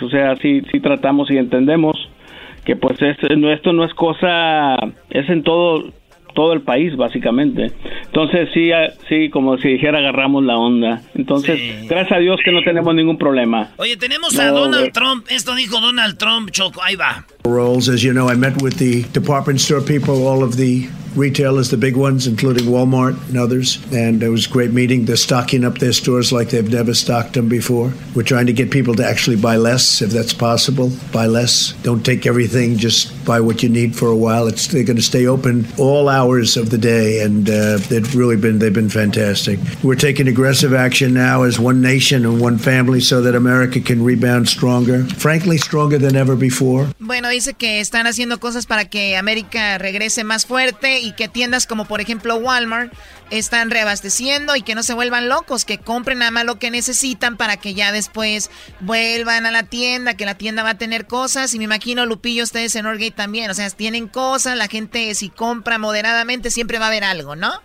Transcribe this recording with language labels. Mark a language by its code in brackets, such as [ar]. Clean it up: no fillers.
[es] O sea, sí tratamos y entendemos que pues esto no es cosa, es en todo el país básicamente. Entonces sí, como si dijera, agarramos la onda. Entonces sí. Gracias a Dios que no tenemos ningún problema. Oye, tenemos a Donald Trump. Esto dijo Donald Trump, Choco, ahí va. [en] Rolls, as you know, I met with the department store people, all of the retailers, the big ones, including Walmart and others, and it was a great meeting. They're stocking up their stores like they've never stocked them before. We're trying to get people to actually buy less, if that's possible. Buy less. Don't take everything. Just buy what you need for a while. They're going to stay open all hours of the day, and they've been fantastic. We're taking aggressive action now as one nation and one family so that America can rebound stronger. Frankly, stronger than ever before. [es] Bueno, dice que están haciendo cosas para que América regrese más fuerte y que tiendas como por ejemplo Walmart están reabasteciendo y que no se vuelvan locos, que compren nada más lo que necesitan para que ya después vuelvan a la tienda, que la tienda va a tener cosas. Y me imagino, Lupillo, ustedes en Norgate también, o sea, tienen cosas, la gente si compra moderadamente siempre va a haber algo, ¿no?